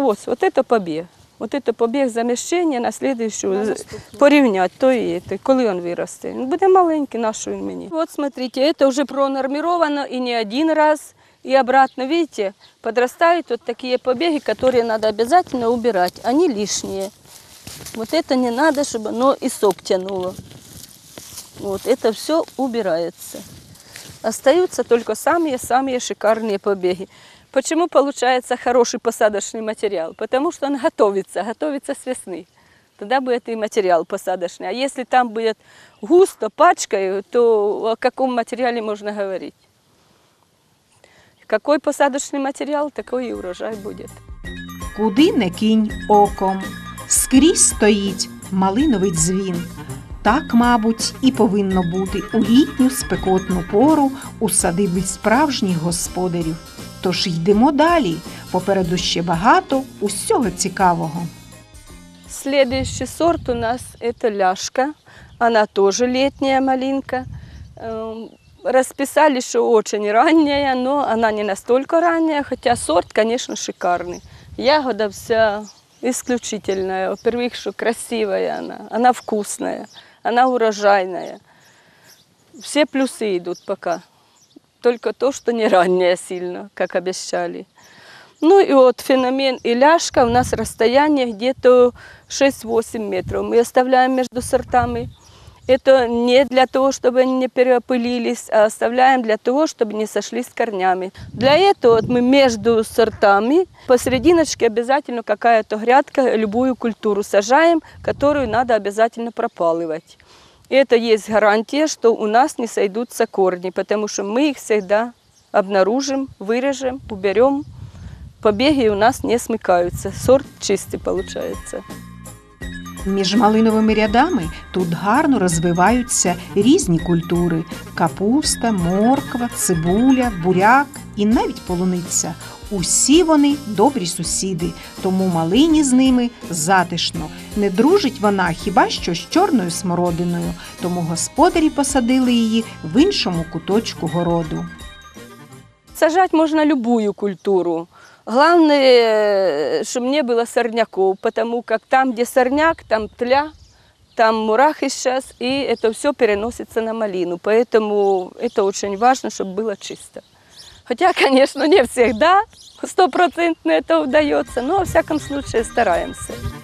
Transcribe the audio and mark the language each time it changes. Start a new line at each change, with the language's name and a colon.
Ukrainian: Ось, от це побіг. От це побіг заміщення на слідуючу. Порівняти то і то. Коли він виросте? Він буде маленький, нашою мені. От, смотрите, це вже пронормировано і не один раз. І обратно, видите, подростають от такі побіги, які треба обов'язково убирати. Вони лишні.
Russian: Вот это не надо, чтобы оно и сок тянуло. Вот это все убирается. Остаются только самые-самые шикарные побеги. Почему получается хороший посадочный материал? Потому что он готовится с весны. Тогда будет и материал посадочный. А если там будет густо, пачкой, то о каком материале можно говорить? Какой посадочный материал, такой и урожай будет.
Ukrainian: Куди не кинь оком? Скрізь стоїть малиновий дзвін. Так, мабуть, і повинно бути у літню спекотну пору у садиби справжніх господарів. Тож йдемо далі. Попереду ще багато усього цікавого.
Russian: Следующий сорт у нас – це ляшка.
Ukrainian: Вона теж літня малинка. Розписали, що дуже рання, але вона не настільки рання, хоча сорт, звісно, шикарний.
Russian: Ягода вся... исключительная. Во-первых, что красивая она вкусная, она урожайная. Все плюсы идут пока. Только то, что не ранняя сильно, как обещали. Ну и вот феномен и ляшка. У нас расстояние где-то 6-8 метров. Мы оставляем между сортами. Это не для того, чтобы они не перепылились, а оставляем для того, чтобы не сошли с корнями. Для этого вот мы между сортами посерединочке обязательно какая-то грядка, любую культуру сажаем, которую надо обязательно пропалывать. Это есть гарантия, что у нас не сойдутся корни, потому что мы их всегда обнаружим, вырежем, уберем. Побеги у нас не смыкаются, сорт чистый получается.
Ukrainian: Між малиновими рядами тут гарно розвиваються різні культури – капуста, морква, цибуля, буряк і навіть полуниця. Усі вони добрі сусіди, тому малині з ними затишно. Не дружить вона хіба що з чорною смородиною, тому господарі посадили її в іншому куточку городу. Сажати можна любую культуру.
Russian: Главное, чтобы не было сорняков, потому как там, где сорняк, там тля, там мурахи сейчас, и это все переносится на малину. Поэтому это очень важно, чтобы было чисто. Хотя, конечно, не всегда 100% это удается, но во всяком случае стараемся.